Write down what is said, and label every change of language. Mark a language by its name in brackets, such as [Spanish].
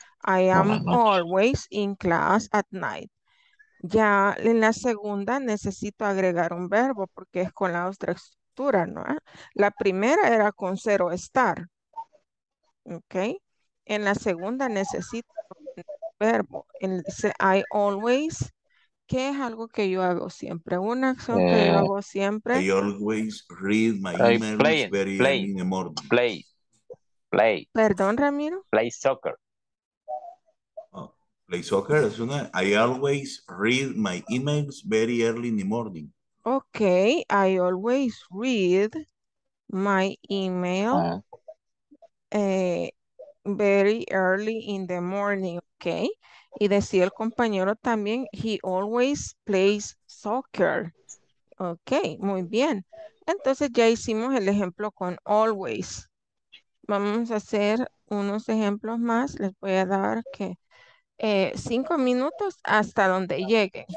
[English] I am always in class at night. [Spanish] Ya en la segunda necesito agregar un verbo porque es con la otra estructura, ¿no? La primera era con ser o estar. ¿Ok? En la segunda necesito un verbo. Dice, [English] I always, [Spanish] ¿qué es algo que yo hago siempre? Una acción que yo hago siempre. [English] I always read my emails very early in the morning. Play. [Spanish] Perdón, Ramiro. [English] Play soccer [Spanish] es una. [English] I always read my emails very early in the morning. Ok. I always read my email very early in the morning. Ok. [Spanish] Y decía el compañero también, [English] he always plays soccer. [Spanish] Ok, muy bien. Entonces ya hicimos el ejemplo con always. Vamos a hacer unos ejemplos más. Les voy a dar que 5 minutos hasta donde lleguen.